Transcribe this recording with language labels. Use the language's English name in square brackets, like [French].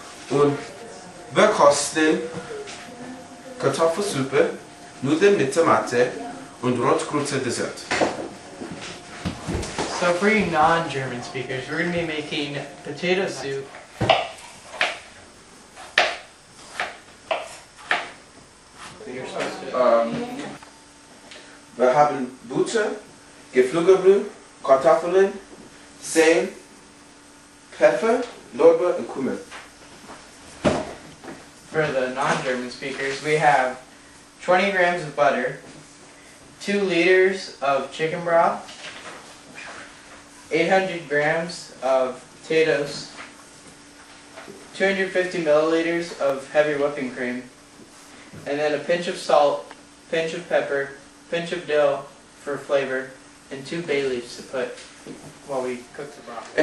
[German] Und wir kosten Kartoffelsuppe, Nudeln mit Tomate und Rotkruze Dessert. [English] So for you non-German speakers, we're going to be making potato soup. [German] Wir haben Butter, Geflügelbrühe, Kartoffeln, Sen, Pfeffer, Lorbeer und Kümmel. [English] For the non-German speakers, we have 20 grams of butter, 2 liters of chicken broth, 800 grams of potatoes, 250 milliliters of heavy whipping cream, and then a pinch of salt, pinch of pepper, pinch of dill for flavor, and 2 bay leaves to put while we cook the broth.